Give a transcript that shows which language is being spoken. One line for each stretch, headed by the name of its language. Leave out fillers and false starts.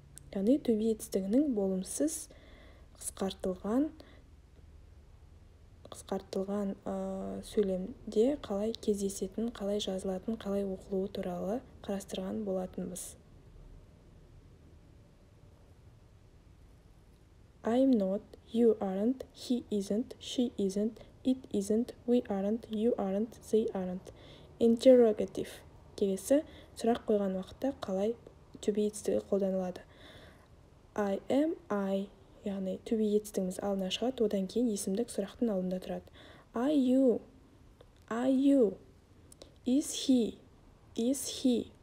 Kazakh: Яғни, to be етістігінің болымсыз қысқартылған сөйлемде қалай кездесетін, қалай жазылатын, қалай оқылуы туралы қарастырған болатынбыз.
English: I'm not, you aren't, he isn't, she isn't, it isn't, we aren't, you aren't, they aren't. Interrogative.
Kazakh: Келесі сұрақ қойған уақытта қалай to be етістігі қолданылады.
English: I am I.
Kazakh: Яғни, to be етістігіміз алдына шығады, одан кейін есімдік сұрақтың алдында тұрады.
English: Are you? Are you? Is he? Is he?